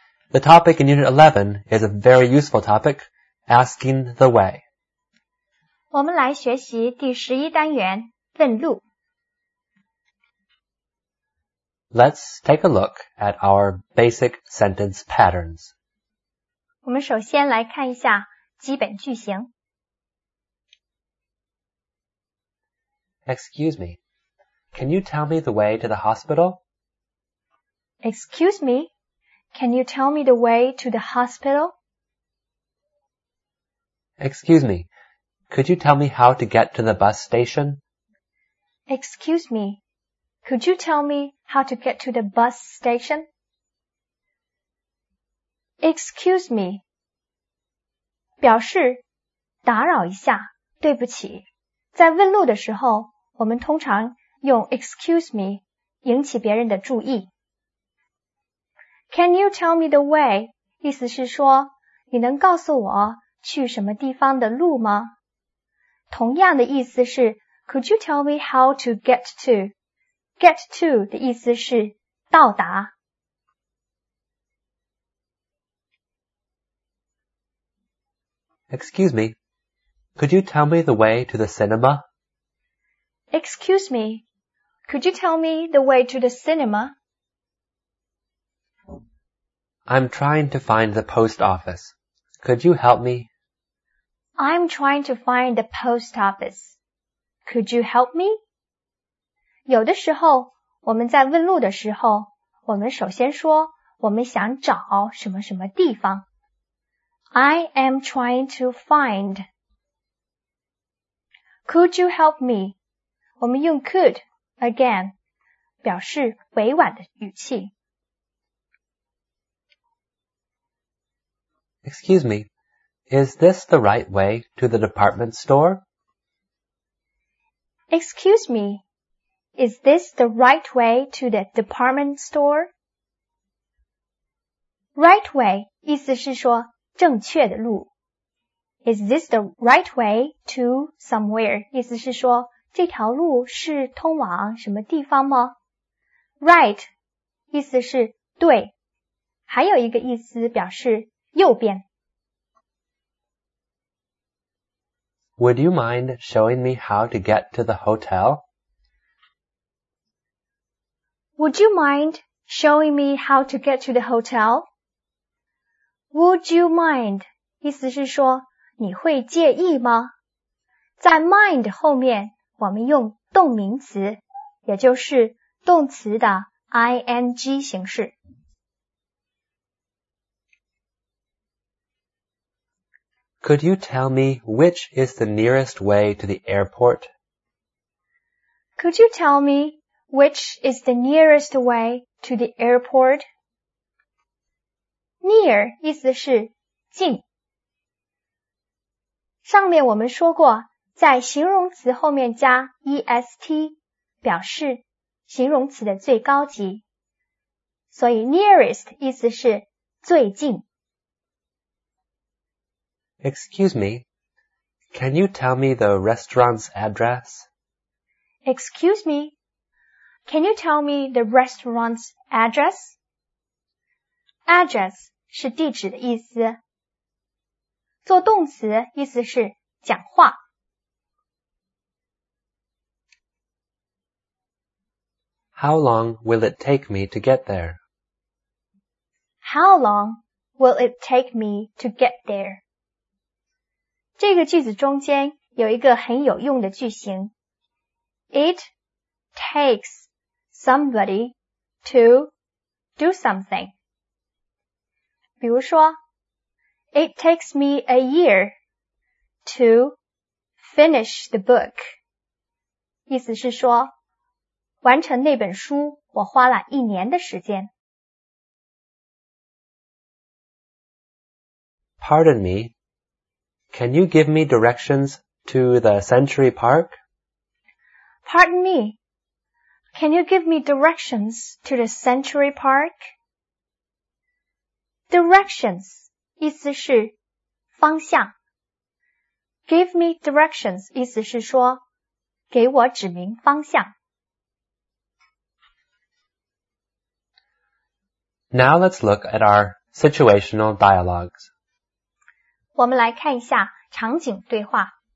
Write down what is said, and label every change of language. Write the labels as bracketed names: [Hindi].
[English] The topic in Unit 11 is a very useful topic, asking the way. [Chinese] 我们来学习第十一单元，问路。 [English] Let's take a look at our basic sentence patterns. [Chinese] 我们首先来看一下基本句型。 [English] Excuse me. Can you tell me the way to the hospital? Excuse me, can you tell me the way to the hospital? Excuse me, could you tell me how to get to the bus station? Excuse me, could you tell me how to get to the bus station? Excuse me. [Chinese] 表示打扰一下，对不起。在问路的时候，我们通常用 [English] excuse me [Chinese] 引起别人的注意。 [English] Can you tell me the way? [Chinese] 意思是说，你能告诉我去什么地方的路吗？同样的意思是 [English] Could you tell me how to get to? Get to [Chinese] 的意思是到达。 [English] Excuse me, could you tell me the way to the cinema? Excuse me. Could you tell me the way to the cinema? I'm trying to find the post office. Could you help me? I'm trying to find the post office. Could you help me? [Chinese] 有的时候，我们在问路的时候，我们首先说我们想找什么什么地方。 [English] I am trying to find. Could you help me? [Chinese] 我们用 could. [English] Again, [Chinese] 表示委婉的语气。 [English] Excuse me, is this the right way to the department store? Excuse me, is this the right way to the department store? Right way [Chinese] 意思是说正确的路。 [English] Is this the right way to somewhere? [Chinese] 意思是说这条路是通往什么地方吗? [English] Right, [Chinese] 意思是对。还有一个意思表示右边。 [English] Would you mind showing me how to get to the hotel? Would you mind showing me how to get to the hotel? Would you mind, [Chinese] 意思是说你会介意吗? 在 mind 后面我们用动名词，也就是动词的 ing 形式。 [English] Could you tell me which is the nearest way to the airport? Could you tell me which is the nearest way to the airport? [Chinese] Near 意思是近。上面我们说过在形容词后面加 est 表示形容词的最高级，所以 nearest 意思是最近。 [English] Excuse me, can you tell me the restaurant's address? Excuse me, can you tell me the restaurant's address? [Chinese] Address 是地址的意思，做动词意思是讲话。 [English] How long will it take me to get there? How long will it take me to get there? [Chinese] 这个句子中间有一个很有用的句型。 [English] It takes somebody to do something. [Chinese] 比如说 [English] It takes me a year to finish the book. [Chinese] 意思是说完成那本书，我花了一年的时间。 [English] Pardon me, can you give me directions to the Century Park? Pardon me, can you give me directions to the Century Park? Directions, [Chinese] 意思是方向。 [English] Give me directions, [Chinese] 意思是说给我指明方向。 [English] Now let's look at our situational dialogues. [Chinese] 我们来看一下场景对话。